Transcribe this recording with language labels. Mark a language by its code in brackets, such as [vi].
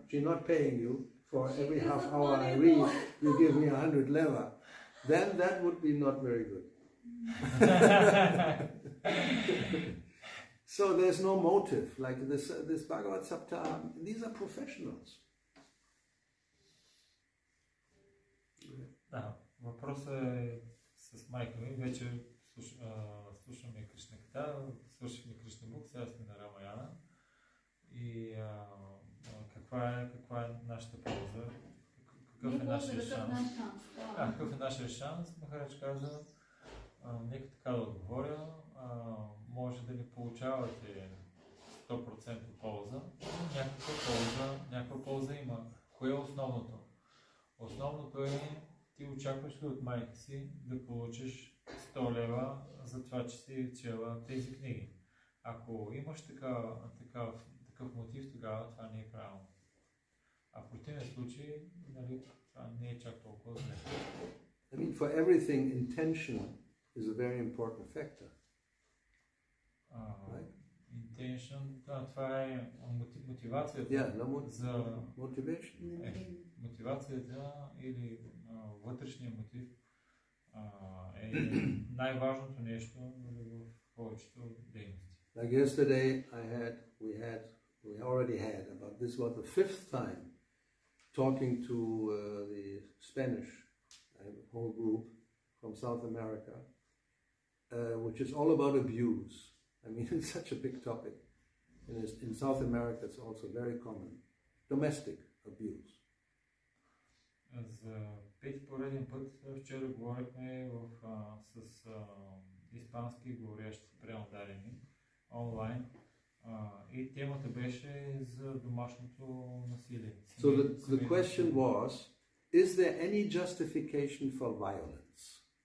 [en] She's not paying you for every half hour I read, you give me 100 leva. Then that would be not very good. So there's no motive, like this Bhagavad Sapta, these are professionals. [bg] Да, въпросът е с майка ми, вече слушаме Кришна Кита, слушахме Кришна Бук, сега сме на Рамаяна. И каква е нашата полза? Какъв е нашия шанс? Какъв е нашия шанс, Махарадж каза, нека така да отговоря. Може да не получавате 100% полза, но някаква полза има. Кое е основното? Основното е, ти очакваш ли от майка си да получиш 100 лева за това, че си чела тези книги. Ако имаш такъв мотив, тогава това не е правилно. А в противен случай, нали, това не е чак толкова зле. [en] I mean, for everything, intention is a very important factor. Right. [bg] intention, това е мотивацията. [en] Yeah, no, [bg] за [en] motivation. [bg] Е, мотивацията или вътрешния мотив е най-важното нещо в повечето дейности. [en] Like yesterday I had, we already had about this was the fifth time talking to the Spanish whole group from South America, which is all about abuse. I mean, it's such a big topic. And it's, in South America, it's also very common. Domestic abuse. [bg] As пет пореден път вчера говорихме с испански говорещи преодарени онлайн. И темата беше за домашното насилие. [en] So the question was, is there any justification for violence?